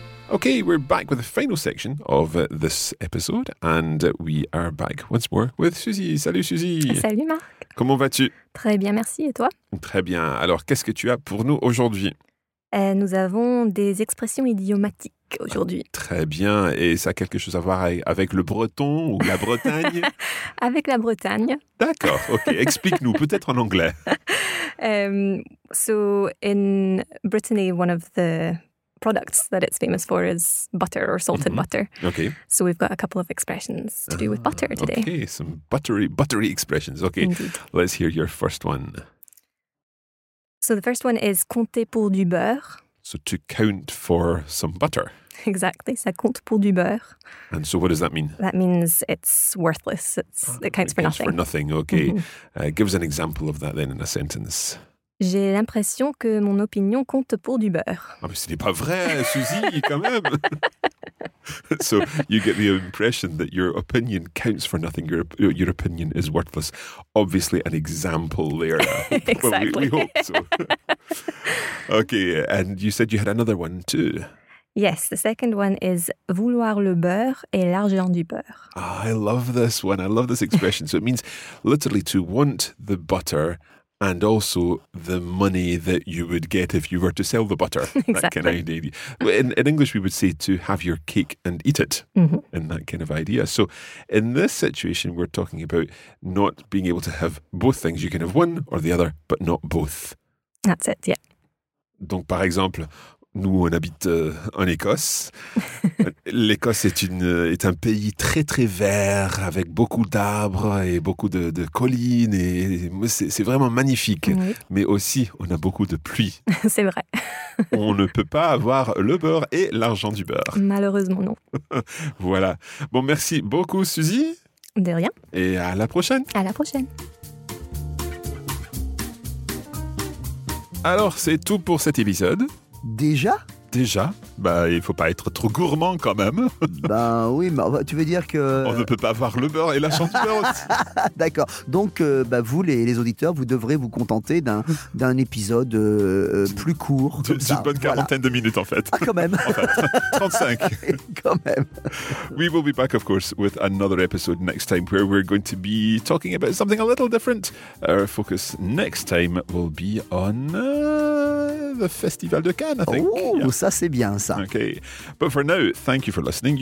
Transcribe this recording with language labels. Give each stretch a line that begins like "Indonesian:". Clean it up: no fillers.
English: Okay, we're back with the final section of this episode, and we are back once more with Suzy.
French: Salut Suzy. Salut Marc. Comment vas-tu? Très bien, merci. Et toi? Très bien. Alors, qu'est-ce que tu as pour nous aujourd'hui? Nous avons des expressions idiomatiques aujourd'hui. Ah, très bien. Et ça a quelque chose à voir avec le breton ou la Bretagne? Avec la Bretagne. D'accord, ok. Explique-nous, peut-être en anglais.
English: So, in Brittany, one of the products that it's famous for is butter or salted mm-hmm. butter. Okay. So we've got a couple of expressions to do with butter today. Okay, some buttery expressions. Okay. Indeed. Let's hear your first one. So the first one is
French: compter pour du beurre.
English: So to count for some butter. Exactly.
French: Ça compte pour du beurre.
English: And so what does that mean? That means it's worthless. It counts for nothing. For nothing. Okay. Mm-hmm. Give us an example of that then in a sentence.
French: J'ai l'impression que mon opinion compte pour du beurre. Ah, mais ce n'est pas vrai, Suzy, quand même.
English: So you get the impression that your opinion counts for nothing. Your opinion is worthless. Obviously an example there. Exactly. Well, we hope so. Okay, and you said you had another one too. Yes, the second one is
French: vouloir le beurre et l'argent du beurre.
English: I love this one. I love this expression. So it means literally to want the butter and also the money that you would get if you were to sell the butter. Exactly. That kind of idea. In English, we would say to have your cake and eat it, mm-hmm. in that kind of idea. So in this situation, we're talking about not being able to have both things. You can have one or the other, but not both. That's it, yeah.
French: Donc, par exemple, nous, on habite en Écosse. L'Écosse est un pays très, très vert, avec beaucoup d'arbres et beaucoup de collines. Et c'est vraiment magnifique. Oui. Mais aussi, on a beaucoup de pluie. C'est vrai. On ne peut pas avoir le beurre et l'argent du beurre. Malheureusement, non. Voilà. Bon, merci beaucoup, Suzy. De rien. Et à la prochaine. À la prochaine. Alors, c'est tout pour cet épisode. Déjà ? Déjà ? Bah, il ne faut pas être trop gourmand quand même. Ben oui, mais tu veux dire que... On ne peut pas avoir le beurre et la chanteuse. D'accord. Donc, bah, vous, les auditeurs, vous devrez vous contenter d'un épisode plus court. D'une bonne quarantaine de minutes, en fait. Ah, quand même. En fait, 35. Quand même.
English: We will be back, of course, with another episode next time where we're going to be talking about something a little different. Our focus next time will be on the Festival de Cannes, I think. Oh, yeah.
French: Ça, c'est bien.
English: Okay. But for now, thank you for listening.